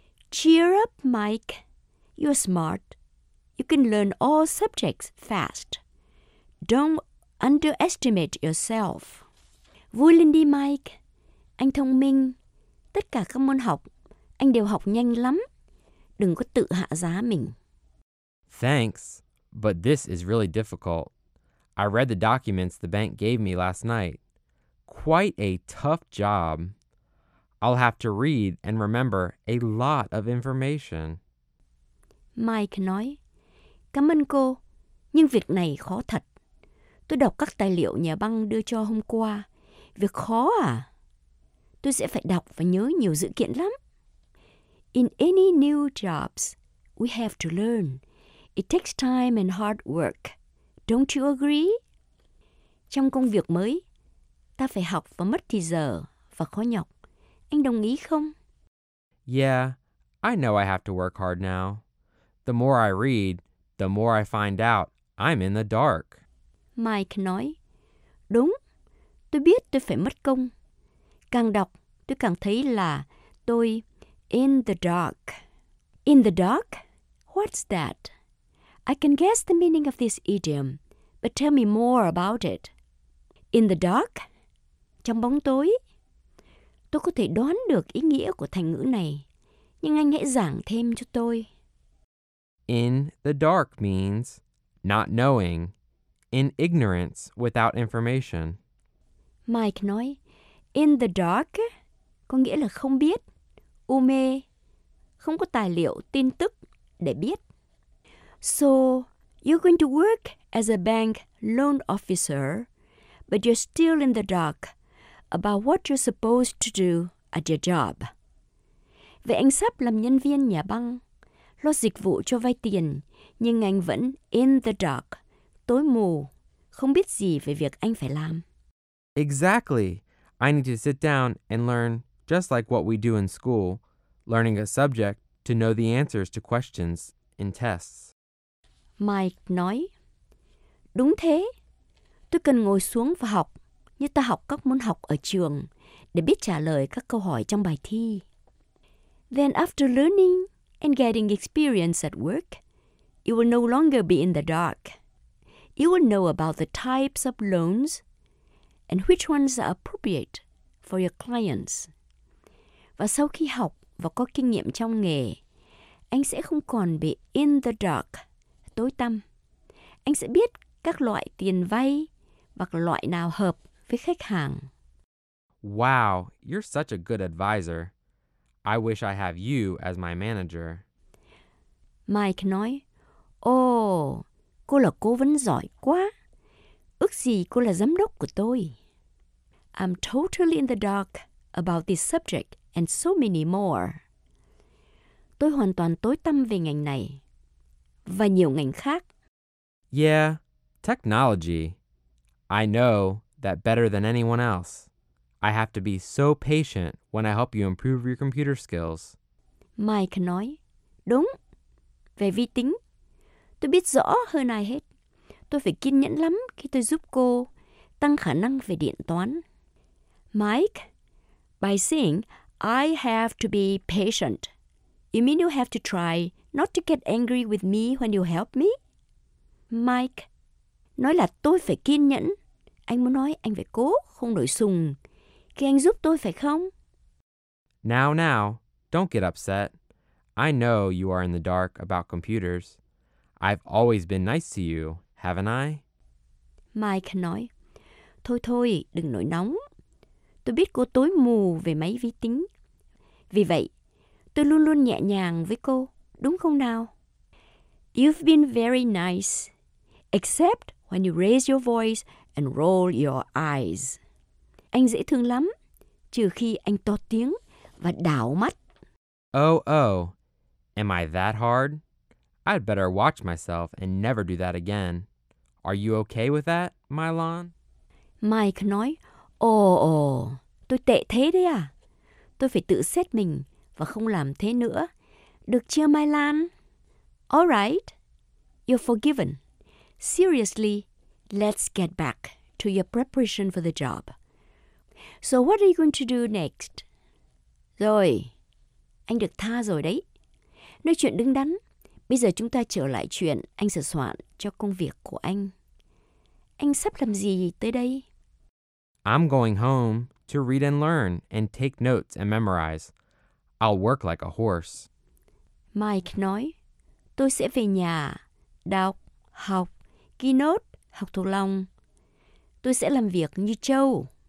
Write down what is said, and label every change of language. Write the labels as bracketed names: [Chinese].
[English] Cheer up, Mike. You're smart. You can learn all subjects fast. Don't underestimate yourself. [Vietnamese] Vui lên đi, Mike. Anh thông minh. Tất cả các môn học, anh đều học nhanh lắm. Đừng có tự hạ giá mình. [English] Thanks, but this is really difficult. I read the documents the bank gave me last night. quite a tough job. I'll have to read and remember a lot of information. [Vietnamese] Mike nói, cảm ơn cô, nhưng việc này khó thật. Tôi đọc các tài liệu nhà băng đưa cho hôm qua. Việc khó à? Tôi sẽ phải đọc và nhớ nhiều dữ kiện lắm. [English] In any new jobs, we have to learn. It takes time and hard work. Don't you agree? [Vietnamese] Trong công việc mới, ta phải học và mất thì giờ và khó nhọc. Anh đồng ý không? [English] Yeah, I know I have to work hard now. The more I read, the more I find out I'm in the dark. [Vietnamese] Mike nói, đúng, tôi biết tôi phải mất công. Càng đọc, tôi càng thấy là tôi in the dark. [English] In the dark? What's that? I can guess the meaning of this idiom, but tell me more about it. [Vietnamese] In the dark? Trong bóng tối? Tôi có thể đoán được ý nghĩa của thành ngữ này, nhưng anh hãy giảng thêm cho tôi. [English] In the dark means not knowing, in ignorance without information. [Vietnamese] Mike nói, in the dark có nghĩa là không biết, u mê, không có tài liệu, tin tức để biết. [English] So, you're going to work as a bank loan officer, but you're still in the dark about what you're supposed to do at your job. [Vietnamese] Vậy anh sắp làm nhân viên nhà băng, lo dịch vụ cho vay tiền, nhưng anh vẫn in the dark, tối mù, không biết gì về việc anh phải làm. [English] Exactly. I need to sit down and learn, just like what we do in school, learning a subject to know the answers to questions in tests. Mike nói, đúng thế, tôi cần ngồi xuống và học như ta học các môn học ở trường để biết trả lời các câu hỏi trong bài thi. Then after learning and getting experience at work, you will no longer be in the dark. You will know about the types of loans and which ones are appropriate for your clients. [Vietnamese] Và sau khi học và có kinh nghiệm trong nghề, anh sẽ không còn bị in the dark. Tối tăm. Anh sẽ biết các loại tiền vay và loại nào hợp với khách hàng. [English] Wow, you're such a good advisor. I wish I have you as my manager. [Vietnamese] Mike nói, cô là cố vấn giỏi quá. Ước gì cô là giám đốc của tôi. [English] I'm totally in the dark about this subject and so many more. [Vietnamese] Tôi hoàn toàn tối tăm về ngành này. Và nhiều ngành khác. [English] Yeah, technology. I know that better than anyone else. I have to be so patient when I help you improve your computer skills. [Vietnamese] Mike nói, đúng, về vi tính. Tôi biết rõ hơn ai hết. Tôi phải kiên nhẫn lắm khi tôi giúp cô tăng khả năng về điện toán. [English] Mike, by saying I have to be patient, you mean you have to try not to get angry with me when you help me? [Vietnamese] Mike, nói là tôi phải kiên nhẫn. Anh muốn nói anh phải cố, không nổi sùng. Khi anh giúp tôi phải không? [English] Now, don't get upset. I know you are in the dark about computers. I've always been nice to you, haven't I? [Vietnamese] Mike nói, thôi, đừng nổi nóng. Tôi biết cô tối mù về máy vi tính. Vì vậy, tôi luôn luôn nhẹ nhàng với cô. Đúng không nào? [English] You've been very nice, except when you raise your voice and roll your eyes. [Vietnamese] Anh dễ thương lắm, trừ khi anh to tiếng và đảo mắt. [English] Oh, am I that hard? I'd better watch myself and never do that again. Are you okay with that, Mylon? [Vietnamese] Mike nói, Oh, tôi tệ thế đấy à. Tôi phải tự xét mình và không làm thế nữa. Được chưa, [English] Mai Lan? All right. You're forgiven. Seriously, let's get back to your preparation for the job. So what are you going to do next? [Vietnamese] Rồi. Anh được tha rồi đấy. Nói chuyện đứng đắn. Bây giờ chúng ta trở lại chuyện anh sửa soạn cho công việc của anh. Anh sắp làm gì tới đây? [English] I'm going home to read and learn and take notes and memorize. I'll work like a horse. [Vietnamese] Mike nói, tôi sẽ về nhà, đọc, học, ghi nốt, học thuộc lòng. Tôi sẽ làm việc như trâu.